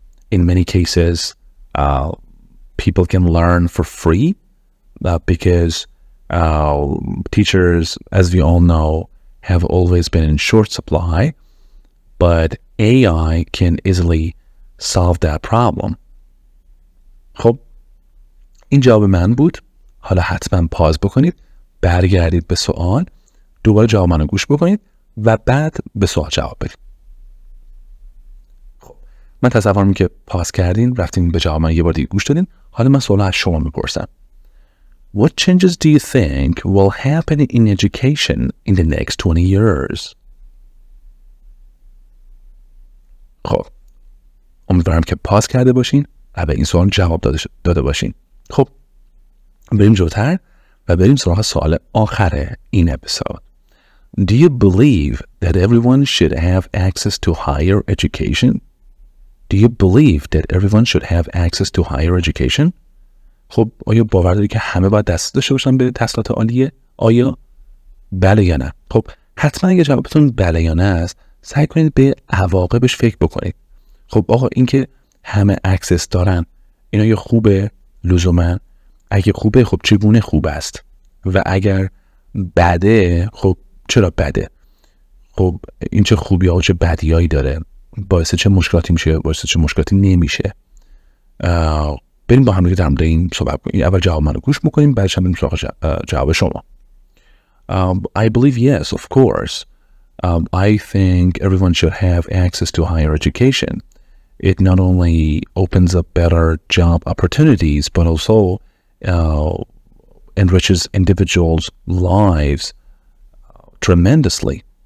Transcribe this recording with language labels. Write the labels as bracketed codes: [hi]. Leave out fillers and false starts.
[en] In many cases, people can learn for free because teachers, as we all know, have always been in short supply, but AI can easily solve that problem. [fa] خب این جواب من بود. حالا حتما پاز بکنید، برگردید به سوال، دوباره جواب منو گوش بکنید و بعد به سوال جواب بدید. خب من تصور می که پاز کردین، رفتین به جواب من یه بار دیگه گوش دادین. حالا من سوال از شما میپرسم. [en] What changes do you think will happen in education in the next 20 years? [fa] خب امیدوارم که پاس کرده باشین و به این سوال جواب داده باشین. خب بریم جلوتر و بریم سراغ سوال آخر این اپیزود. [en] Do you believe that everyone should have access to higher education? Do you believe that everyone should have access to higher education? [fa] خب آیا باور داری که همه باید دست داشته باشن به تحصیلات عالیه؟ آیا؟ بله یا نه؟ خب حتما اگه جوابتون بله یا نه است، سعی کنید به عواقبش فکر بکنید. خب آقا این که همه اکسس دارن اینا یه خوبه؟ لزومن اگه خوبه خب چگونه خوب است؟ و اگر بده خب چرا بده؟ خب این چه خوبی ها و چه بدی هایی داره؟ باعث چه مشکلاتی میشه؟ باعث چه مشکلاتی نمیشه؟ بریم با هم دیگه در مورد این صحبت کنیم. اول جواب منو گوش میکنیم بعدش هم بریم سراغ جواب شما. [en] I believe yes, of course. I think everyone should have access to higher education. It not only opens up better job opportunities, but also enriches individuals' lives tremendously.